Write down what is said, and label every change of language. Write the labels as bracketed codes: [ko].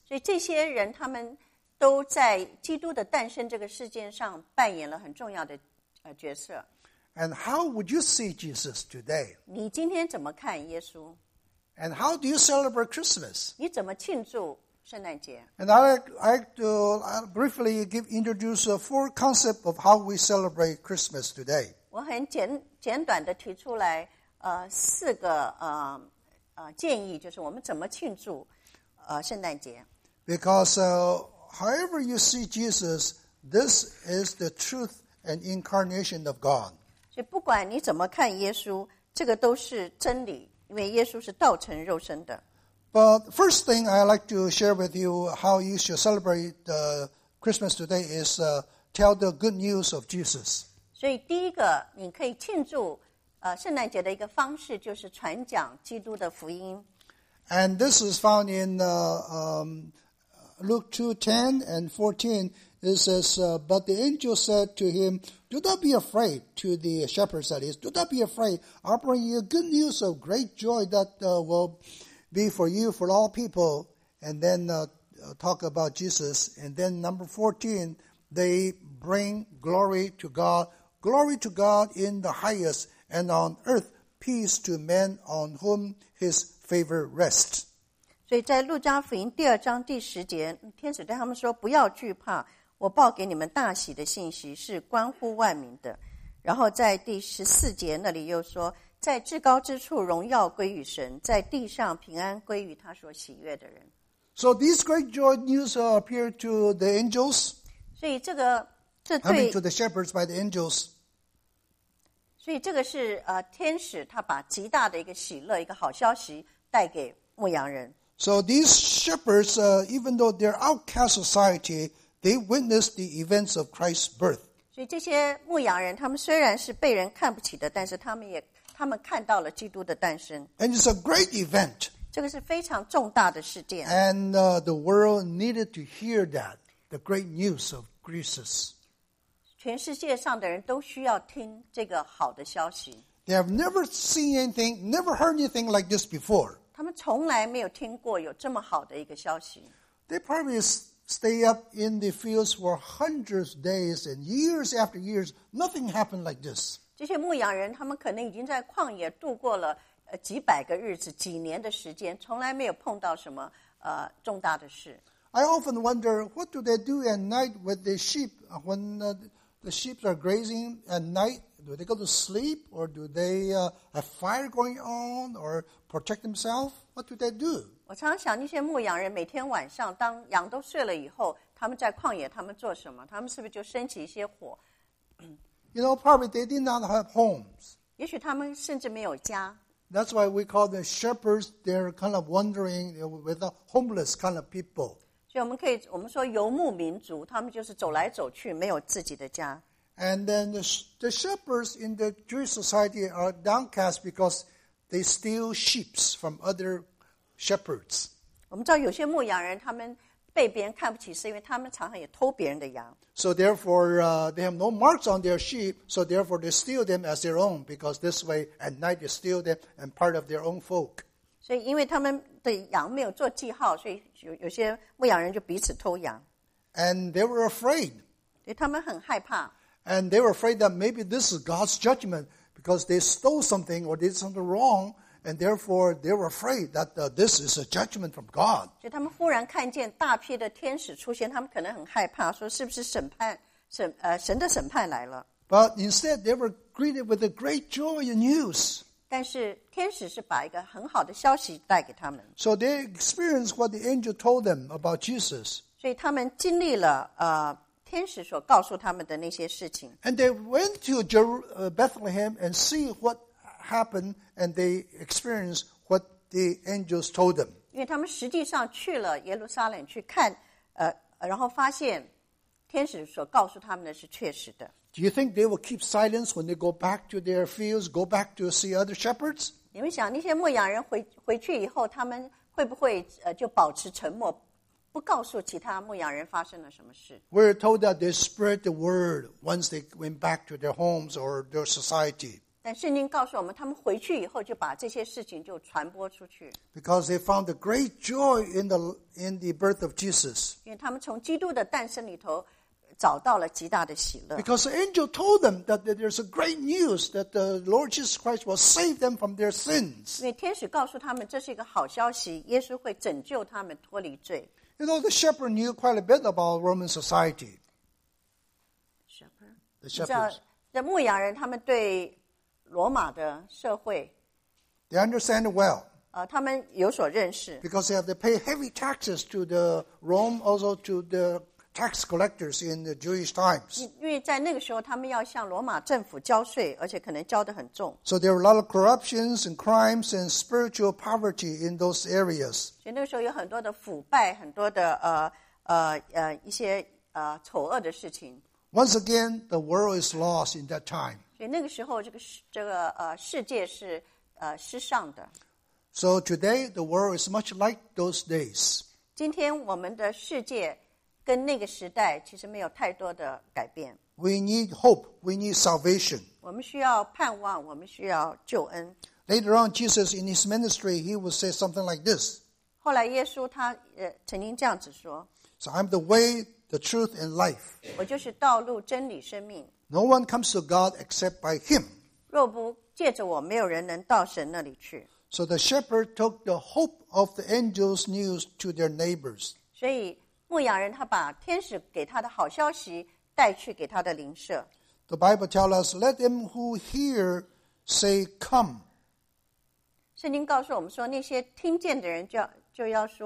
[en] So these people, they all in the birth of Jesus, play a very important role. And how would you see Jesus today? [zh] 你今天怎么看耶稣? [en] And how do you celebrate Christmas? [zh] 你怎么庆祝? [en] And I'll briefly introduce four concepts of how we celebrate Christmas today. [zh] 我很简短地提出来四个建议，就是我们怎么庆祝圣诞节。 [en] Because however you see Jesus, this is the truth and incarnation of God. [zh] 所以不管你怎么看耶稣，这个都是真理，因为耶稣是道成肉身的。 [en] But the first thing I'd like to share with you how you should celebrate Christmas today is tell the good news of Jesus. [zh] 所以第一个你可以庆祝圣诞节的一个方式就是传讲基督的福音。 [en] And this is found in Luke 2:10 and 14. It says, But the angel said to him, Do not be afraid, to the shepherds that is, Do not be afraid, I bring you good news of great joy that will... be for you, for all people, and then talk about Jesus. And then number 14, they bring glory to God. Glory to God in the highest, and on earth, peace to men on whom his favor rests. [zh] 所以在路加福音第二章第十节，天使对他们说，不要惧怕，我报给你们大喜的信息是关乎万民的。然后在第十四节那里又说，在至高之处荣耀归于神，在地上平安归于他所喜悦的人。 [en] So these great joy news appear to the angels. [zh] 所以这个这对 [en] coming to the shepherds by the angels. [zh] 所以这个是天使他把极大的一个喜乐，一个好消息带给牧羊人。 [en] So these shepherds, even though they're outcast society, they witnessed the events of Christ's birth. [zh] 所以这些牧羊人，他们虽然是被人看不起的，但是他们也他们看到了基督的诞生。 [en] And it's a great event. [zh] 这个是非常重大的事件。 [en] And the world needed to hear that, the great news of Jesus. [zh] 全世界上的人都需要听这个好的消息。 [en] They have never seen anything, never heard anything like this before. [zh] 他们从来没有听过有这么好的一个消息。 [en] They probably stay up in the fields for hundreds of days and years after years, nothing happened like this. [zh] 这些牧羊人，他们可能已经在旷野度过了几百个日子、几年的时间，从来没有碰到什么重大的事。 [en] I often wonder what do they do at night with the sheep when the sheep are grazing at night? Do they go to sleep or do they have fire going on or protect themselves? What do they do? [zh] 我常想那些牧羊人每天晚上当羊都睡了以后，他们在旷野他们做什么？他们是不是就升起一些火？ [en] You know, probably they did not have homes. [zh] 也许他们甚至没有家。 [en] That's why we call them shepherds. They're kind of wandering with a homeless kind of people. [zh] 所以我们说游牧民族，他们就是走来走去，没有自己的家。 [en] And then the shepherds in the Jewish society are downcast because they steal sheep from other shepherds. [zh] 我们知道有些牧羊人他们被别人看不起，是因为他们常常也偷别人的羊。 [en] So therefore, they have no marks on their sheep. So therefore, they steal them as their own because this way, at night, they steal them and part of their own folk. [zh] 所以，因为他们的羊没有做记号，所以有些牧羊人就彼此偷羊。 [en] And they were afraid. [zh] 对，他们很害怕。 [en] And they were afraid that maybe this is God's judgment because they stole something or did something wrong, and therefore they were afraid that this is a judgment from God. [zh] 所以他们忽然看见大批的天使出现，他们可能很害怕，说是不是审判审神的审判来了。 [en] But instead, they were greeted with a great joy and news. [zh] 但是天使是把一个很好的消息带给他们。 [en] So they experienced what the angel told them about Jesus. [zh] 所以他们经历了天使所告诉他们的那些事情。 [en] And they went to Bethlehem and see what happened, and they experienced what the angels told them. [zh] 因为他们实际上去了耶路撒冷去看，然后发现天使所告诉他们的是确实的。 [en] Do you think they will keep silence when they go back to their fields, go back to see other shepherds? [zh] 你们想那些牧羊人回去以后，他们会不会就保持沉默？不告诉其他牧羊人发生了什么事。 [en] We're told that they spread the word once they went back to their homes or their society. [zh] 但圣经告诉我们，他们回去以后就把这些事情就传播出去。 [en] Because they found the great joy in the birth of Jesus. [zh] 因为他们从基督的诞生里头找到了极大的喜乐。 [en] Because the angel told them that there's a great news that the Lord Jesus Christ will save them from their sins. [zh] 因为天使告诉他们这是一个好消息，耶稣会拯救他们脱离罪。 [en] You know, the shepherd knew quite a bit about Roman society. Shepherd? The shepherds. [zh] 牧羊人他们对罗马的社会。 [en] They understand it well. [zh] 他们有所认识。 [en] Because they have to pay heavy taxes to the Rome, also to the tax collectors in the Jewish times. [zh] 因为在那个时候他们要向罗马政府交税，而且可能交得很重。 [en] So there were a lot of corruptions and crimes and spiritual poverty in those areas. [zh] 所以那个时候有很多的腐败，很多的一些丑恶的事情。 [en] Once again, the world is lost in that time. [zh] 所以那个时候这个世界是失丧的。 [en] So today, the world is much like those days. [zh] 今天我们的世界跟那个时代其实没有太多的改变。 [en] We need hope. We need salvation. [zh] 我们需要盼望，我们需要救恩。 [en] Later on, Jesus in his ministry, he would say something like this. [zh] 后来耶稣他曾经这样子说。 [en] So I'm the way, the truth, and life. [zh] 我就是道路、真理、生命。 [en] No one comes to God except by him. [zh] 若不借着我，没有人能到神那里去。 [en] So the shepherd took the hope of the angels' news to their neighbors. [zh] 所以牧羊人他把天使给他的好消息带去给他的邻舍。 [en] The Bible tells us, let them who hear say, come. [zh] 圣经告诉我们说，那些听见的人就要说